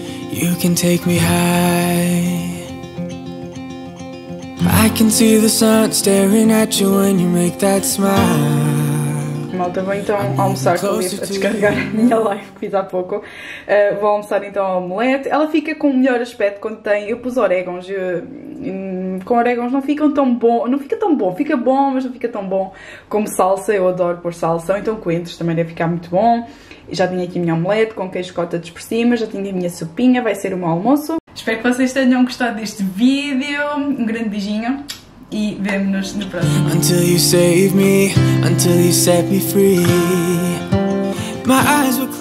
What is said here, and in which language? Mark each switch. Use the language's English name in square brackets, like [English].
[English] You can take me high. I can see the sun staring at you when you make that smile. [Portuguese] Malta, vou então almoçar com o Liv, a descarregar a minha live que fiz há pouco. Vou almoçar então a omelete. Ela fica com o melhor aspecto quando tem. Eu pus orégãos. Com orégãos não ficam tão bom, não fica tão bom, fica bom, mas não fica tão bom como salsa, eu adoro pôr salsa, então coentros também deve ficar muito bom. Já tinha aqui a minha omelete com queijo cottage por cima, já tinha a minha sopinha, vai ser o meu almoço. Espero que vocês tenham gostado deste vídeo, um grande beijinho e vemo-nos no próximo vídeo. [English] Until you save me, until you set me free. My eyes will...